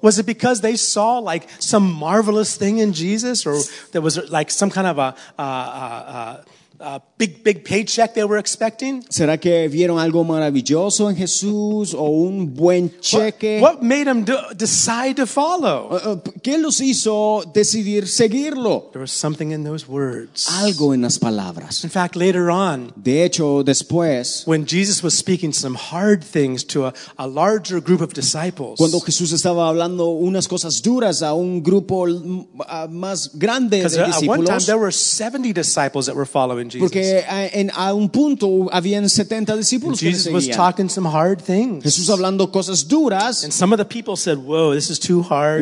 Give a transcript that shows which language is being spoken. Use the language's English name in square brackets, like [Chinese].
[English] Was it because they saw like some marvelous thing in Jesus? Or there was like some kind of a big paycheck they were expecting? [Spanish] ¿Será que vieron algo maravilloso en Jesús o un buen cheque? [English] What made them decide to follow? [Spanish] ¿Qué los hizo decidir seguirlo? [English] There was something in those words. [Spanish] Algo en las palabras. [English] In fact, later on, [Spanish] de hecho, después, [English] when Jesus was speaking some hard things to a larger group of disciples, [Spanish] cuando Jesús estaba hablando unas cosas duras a un grupo más grande de discípulos, [English] because at one time there were 70 disciples that were following. Jesus. [Spanish] Porque a un punto habían 70 discípulos que le seguían. [English] Jesus was talking some hard things. [Spanish] Jesús hablando cosas duras. [English] And some of the people said, "Whoa, this is too hard."